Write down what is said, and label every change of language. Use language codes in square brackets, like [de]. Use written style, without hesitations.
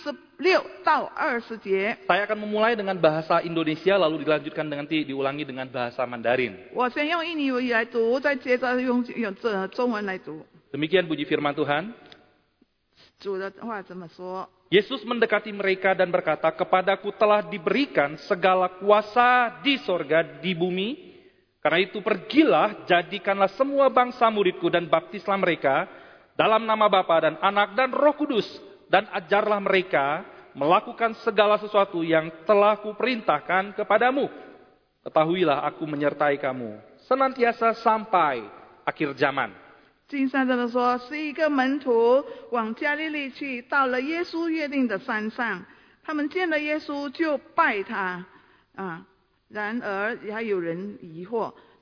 [zh] 今天我们要讲到的经文也在马太福音28章第16到20节。 [id] Saya akan memulai dengan bahasa Indonesia lalu dilanjutkan dengan diulangi dengan bahasa Mandarin. [zh] 我先用印尼语来读，再接着用中文来读。 [id] Demikian bunyi firman Tuhan. [zh] 主的话怎么说？ [id] Yesus mendekati mereka dan berkata, "Kepadaku telah diberikan segala kuasa di sorga di bumi. Karena itu pergilah, jadikanlah semua bangsa muridku dan baptislah mereka dalam nama Bapa dan Anak dan Roh Kudus. Dan ajarlah mereka melakukan segala sesuatu yang telah kuperintahkan kepadamu. Ketahuilah aku menyertai kamu senantiasa sampai akhir zaman." [zh] 经上这么说，是一个门徒往加利利去，到了耶稣约定的山上，他们见了耶稣就拜他，然而还有人疑惑。